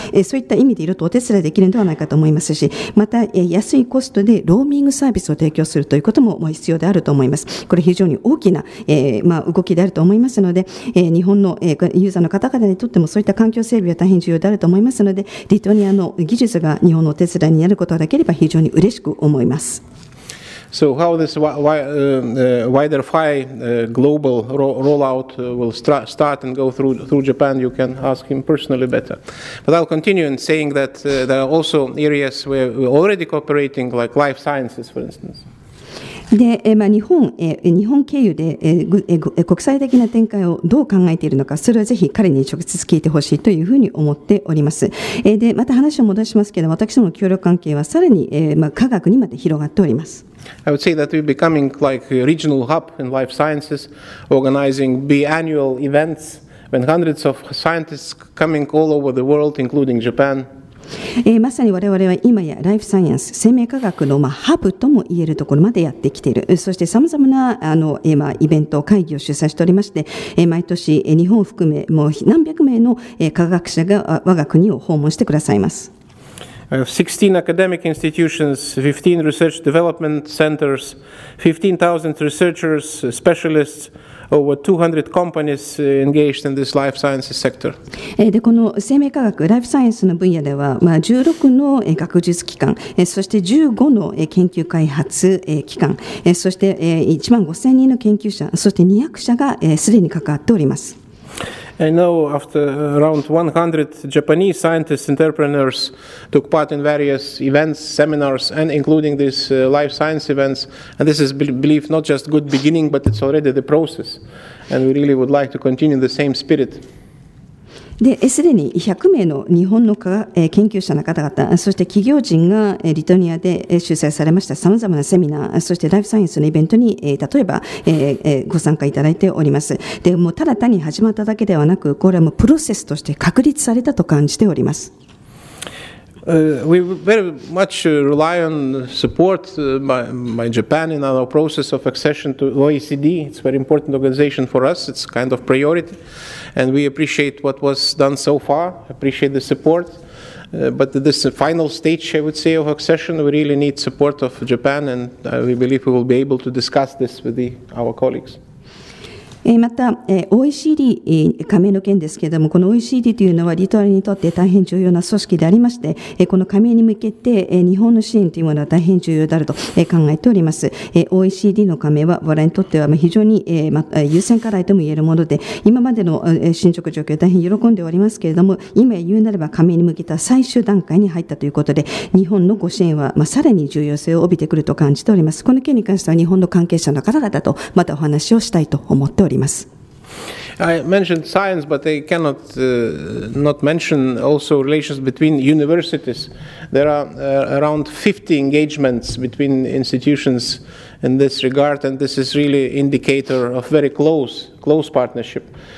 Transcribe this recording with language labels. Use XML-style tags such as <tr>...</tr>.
<ja>そういった意味でいろいろとお手伝いできるのではないかと思いますし、また、安いコストでローミングサービスを提供するということも必要であると思います。これ非常に大きな、動きであると思いますので、日本の、ユーザーの方々にとってもそういった環境整備は大変重要であると思いますので、リトアニアの技術が日本のお手伝いになることができれば非常に嬉しく思います。</ja> <en>So how this wider FI global rollout will start and go through Japan, you can ask him personally better. But I'll continue in saying that there are also areas where we're already cooperating, like life sciences for instance.</en> <ja>で日本経由で国際的な展開をどう考えているのか、それはぜひ彼に直接聞いてほしいというふうに思っております。でまた話を戻しますけど、私ども協力関係はさらに科学にまで広がっております。</ja> <en>I would say that we're becoming like a regional hub in life sciences, organizing biannual events when hundreds of scientists coming all over the world, including Japan.</en> <ja>まさに我々は今やライフサイエンス、生命科学のハブとも言えるところまでやってきている。そしてさまざまなイベント会議を主催しておりまして、毎年日本を含めもう何百名の科学者が我が国を訪問してくださいます。</ja> <en>16 academic institutions, 15 research development centers, 15,000 researchers, specialists, over 200 companies engaged in this life sciences sector.</en> <ja>で、この生命科学、ライフサイエンスの分野では、16の学術機関、そして15の研究開発機関、そして1万5000人の研究者、そして200社がすでに関わっております。</ja> <en>I know after around 100 Japanese scientists, entrepreneurs took part in various events, seminars, and including these life science events. And this is, believe, not just good beginning, but it's already the process. And we really would like to continue in the same spirit.</en> <ja>で、すでに100名の日本の研究者の方々、そして企業人がリトアニアで主催されましたさまざまなセミナー、そしてライフサイエンスのイベントに例えばご参加いただいております。でもうただ単に始まっただけではなく、これはもうプロセスとして確立されたと感じております。</ja> <en>We very much rely on support by Japan in our process of accession to OECD. It's a very important organization for us. It's kind of priority. And we appreciate what was done so far, appreciate the support. But this final stage, I would say, of accession, we really need support of Japan. And we believe we will be able to discuss this with our colleagues.</en> <ja>また OECD 加盟の件ですけれども、この OECD というのはリトアニアにとって大変重要な組織でありまして、この加盟に向けて日本の支援というものは大変重要であると考えております。 OECD の加盟は我々にとっては非常に優先課題とも言えるもので、今までの進捗状況大変喜んでおりますけれども、今言うなれば加盟に向けた最終段階に入ったということで、日本のご支援はさらに重要性を帯びてくると感じております。この件に関しては日本の関係者の方々とまたお話をしたいと思っております。</ja> <en>I mentioned science, but I cannot not mention also relations between universities. There are around 50 engagements between institutions in this regard, and this is really an indicator of very close partnership.</en>